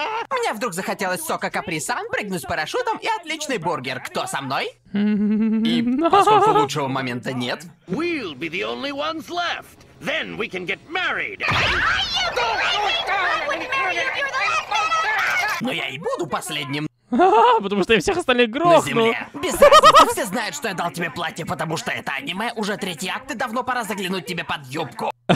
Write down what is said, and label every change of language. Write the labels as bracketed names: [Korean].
[Russian] Мне вдруг захотелось сока капри-сан, прыгнуть с парашютом и отличный бургер. Кто со мной? И поскольку лучшего момента нет... [English] We'll be the only ones left. Then we can get married. Are you crazy? I wouldn't marry you if you're the last man alive. [Russian] Но я и буду последним. Потому что я всех остальных грохну. На земле. Без разницы, все знают, что я дал тебе платье, потому что это аниме. Уже третий акт, и давно пора заглянуть тебе под юбку.